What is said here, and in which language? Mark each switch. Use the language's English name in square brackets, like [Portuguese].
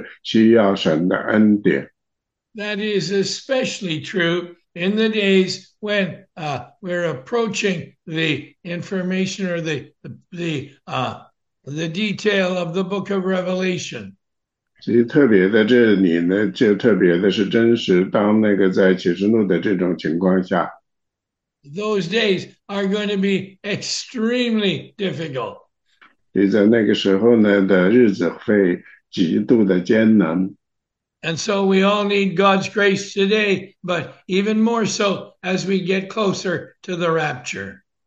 [Chinese] 所以呢，基督徒的人生总是非常艰难的，我们总是需要神的恩典。 [English] That is especially true in the days when we're approaching the information or the detail of the book of Revelation. [Chinese] 其实特别在这里呢，就特别的是真实，当那个在启示录的这种情况下。 [English] Those days are going to be extremely difficult. [Chinese] 也在那个时候呢的日子会极度的艰难。 [English] And so we all need God's grace today, but even more so as we get closer to the rapture.